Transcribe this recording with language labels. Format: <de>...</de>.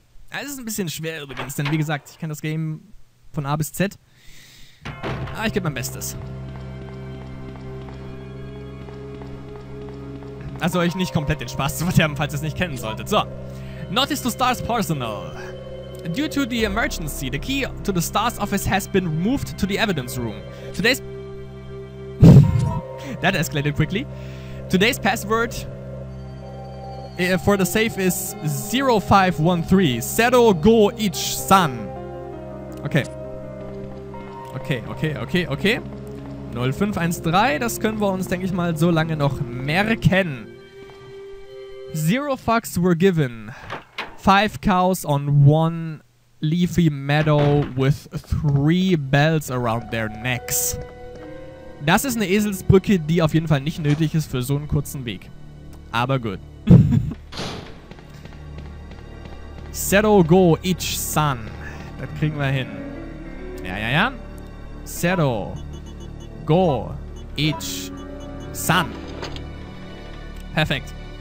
<de>Es ist ein bisschen schwer übrigens, denn wie gesagt, ich kenne das Game von A bis Z. Aber ich gebe mein Bestes. Also euch nicht komplett den Spaß zu verderben, falls ihr es nicht kennen solltet.</de> <en>So. Notice to Star's personnel. Due to the emergency, the key to the Star's office has been moved to the evidence room. Today's... That escalated quickly. Today's password for the safe is 0513. Zero go each sun. Okay. Okay, okay, okay, okay.</en> <de>0513, das können wir uns, denke ich mal, so lange noch merken.</de> <en>Zero fucks were given. Five cows on one leafy meadow with three bells around their necks.</en> <de>Das ist eine Eselsbrücke, die auf jeden Fall nicht nötig ist für so einen kurzen Weg. Aber gut.</de> <en>Zero go each sun.</en> <de>Das kriegen wir hin. Ja, ja, ja.</de> <en>Zero go each sun. Perfekt.</en>